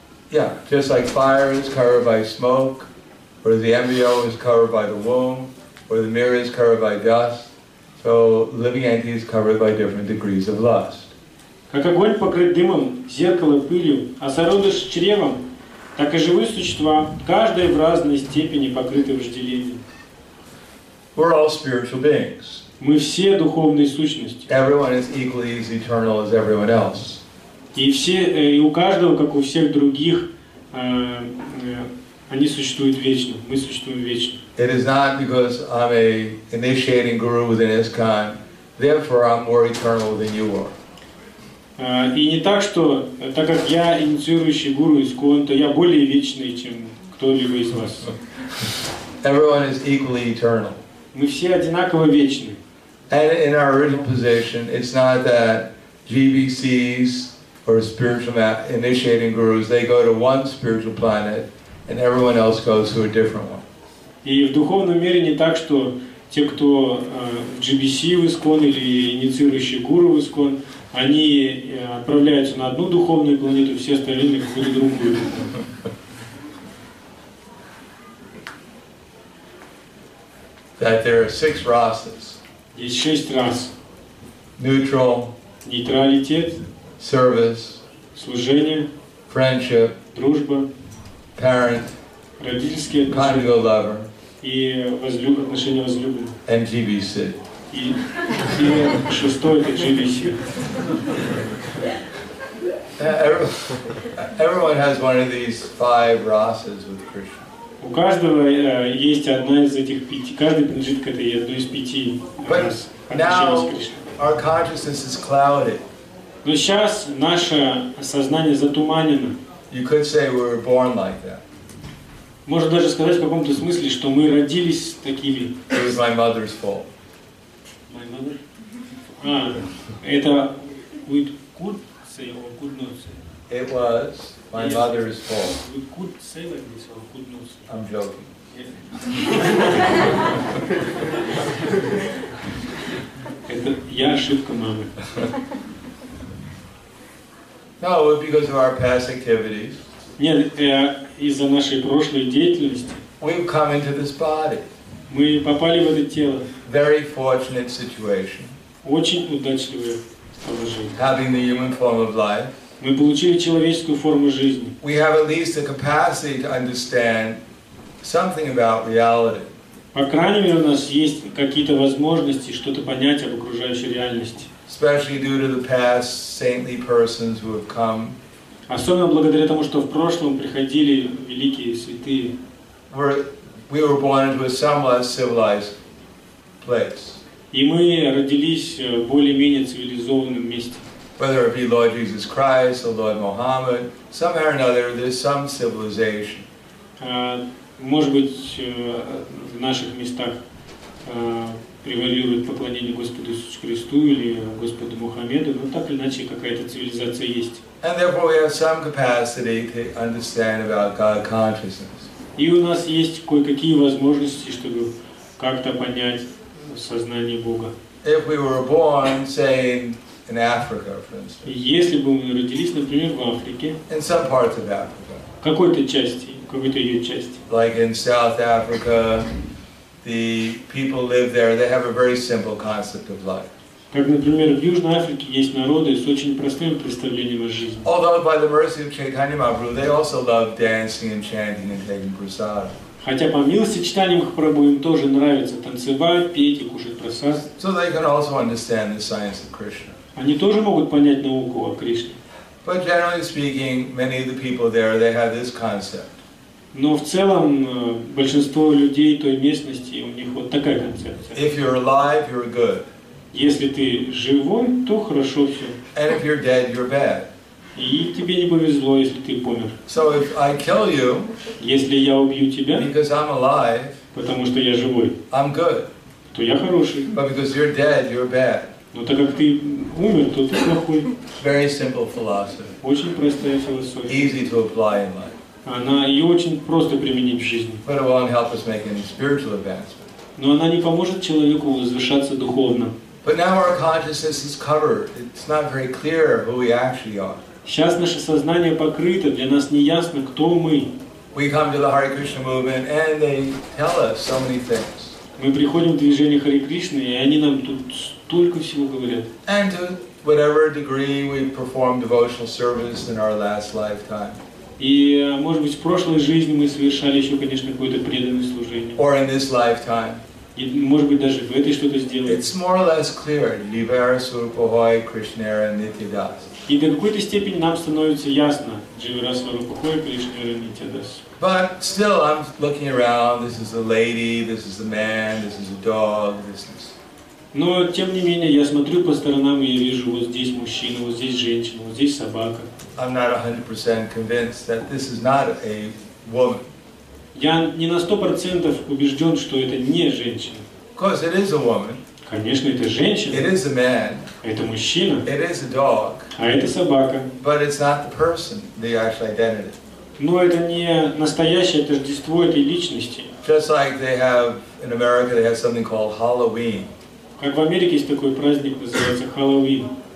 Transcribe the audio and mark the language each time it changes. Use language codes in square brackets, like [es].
[en] Yeah, just like fire is covered by smoke, or the embryo is covered by the womb, or the mirror is covered by dust, so living entity is covered by different degrees of lust. [ru] Как огонь покрыт дымом, зеркало пылью, а зародыш чревом, так и живые существа, каждое в разной степени покрыто вожделением. [en] We're all spiritual beings. [ru] Мы все духовные сущности. [en] Everyone is equally as eternal as everyone else. [ru] И все, и у каждого, как у всех других, они существуют вечно. Мы существуем вечно. [en] It is not because I'm a initiating guru within ISKCON, therefore I'm more eternal than you are. [ru] И не так, что так как я инициирующий гуру ISKCON, то я более вечный, чем кто-либо из вас. [en] Everyone is equally eternal. [ru] Мы все одинаково вечны. [en] And in our original position, it's not that GBCs or spiritual initiating gurus, they go to one spiritual planet and everyone else goes to a different one. [ru] И в духовном мире не так, что те, кто GBC в ISKCON или инициирующий гуру в ISKCON, они отправляются на одну духовную планету, все остальные в другую. [en] That there are six rasas. [ru] Есть шесть рас. [en] Neutral. [ru] Нейтралитет. [en] Service. [ru] Служение. [en] Friendship. [ru] Дружба. [en] Parent. [ru] родительские отношения и отношения возлюбленных. [en] And GBC. [ru] И шестой это GBC. [en] Everyone has one of these five rasas with Krishna. [ru] У каждого есть одна из этих пяти. Каждый принадлежит к этой одной из пяти рас. [en] Now our consciousness is clouded. [ru] Но сейчас наше сознание затуманено. [en] You could say we were born like that. [ru] Можно даже сказать в каком-то смысле, что мы родились такими. [en] It was my mother's fault. My mother? [ru] Это [en] we could say or could not say. It was my mother's fault. We could say like this or could not say. I'm joking. [ru] Это я ошибка мамы. [en] No, it was because of our past activities. [ru] Нет, из-за нашей прошлой деятельности. [en] We've come into this body. [ru] Мы попали в это тело. [en] Very fortunate situation. [ru] Очень удачливое положение. [en] Having the human form of life. [ru] Мы получили человеческую форму жизни. [en] We have at least the capacity to understand something about reality. [ru] По крайней мере, у нас есть какие-то возможности что-то понять об окружающей реальности. [en] Especially due to the past saintly persons who have come. [ru] Особенно благодаря тому, что в прошлом приходили великие святые. [en] We were born into a somewhat civilized place. [ru] И мы родились в более-менее цивилизованном месте. [en] Whether it be Lord Jesus Christ or Lord Muhammad, somehow or another, there's some civilization. [ru] Может быть, в наших местах превалирует поклонение Господу Иисусу Христу или Господу Мухаммеду, но так или иначе какая-то цивилизация есть. [en] And therefore we have some capacity to understand about God consciousness. [ru] И у нас есть кое-какие возможности, чтобы как-то понять сознание Бога. [en] If we were born, say, in Africa, for instance. [ru] Если бы мы родились, например, в Африке. [en] In some parts of Africa. [ru] Какой-то части, какой-то ее части. [en] Like in South Africa. The people live there. They have a very simple concept of life. [ru] Как, например, в Южной Африке есть народы с очень простым представлением о жизни. [en] Although by the mercy of Chaitanya Mahaprabhu, they also love dancing and chanting and taking prasad. [ru] Хотя по милости Чайтанья Махапрабху им тоже нравится танцевать, петь и кушать прасад. [en] So they can also understand the science of Krishna. [ru] Они тоже могут понять науку о Кришне. [en] But generally speaking, many of the people there they have this concept. [ru] Но в целом большинство людей той местности у них вот такая концепция. [en] If you're alive, you're good. [ru] Если ты живой, то хорошо все. [en] And if you're dead, you're bad. [ru] И тебе не повезло, если ты помер. [en] So if I kill you, [ru] если я убью тебя, [en] because I'm alive, [ru] потому что я живой, [en] I'm good. [ru] То я хороший. [en] But because you're dead, you're bad. [ru] Но так как ты умер, то ты плохой. [en] Very simple philosophy. [ru] Очень простая философия. [en] Easy to apply in life. [ru] Она ее очень просто применить в жизни. [en] But it won't help us make any spiritual advancement. [ru] Но она не поможет человеку возвышаться духовно. [en] But now our consciousness is covered. It's not very clear who we actually are. [ru] Сейчас наше сознание покрыто, для нас не ясно, кто мы. [en] We come to the Hare Krishna movement and they tell us so many things. [ru] Мы приходим в движение Харе Кришны, и они нам тут столько всего говорят. [en] And to whatever degree we perform devotional service in our last lifetime. [ru] И, может быть, в прошлой жизни мы совершали еще, конечно, какое-то преданное служение. [en] Or in this lifetime. [ru] И, может быть, даже в этой что-то сделали. [en] It's more or less clear. [bn] Jivara, Swarupa, Hoy, Krishnara, Nityadas. [ru] И до какой-то степени нам становится ясно. [bn] Jivara, Swarupa, Hoy, Krishnara, Nityadas. [en] But still, I'm looking around. This is a lady, this is a man, this is a dog, this is... [ru] Но, тем не менее, я смотрю по сторонам и я вижу, вот здесь мужчина, вот здесь женщина, вот здесь собака. [en] I'm not 100% convinced that this is not a woman. [ru] Я не на 100% убежден, что это не женщина. [en] Because it is a woman. [ru] Конечно, это женщина. [en] It is a man. [ru] Это мужчина. [en] It is a dog. [ru] А это собака. [en] But it's not the person, the actual identity. [ru] Но это не настоящее тождество этой личности. [en] Just like they have, in America, they have something called Halloween. [ru] Как в Америке есть такой праздник, называется Хэллоуин.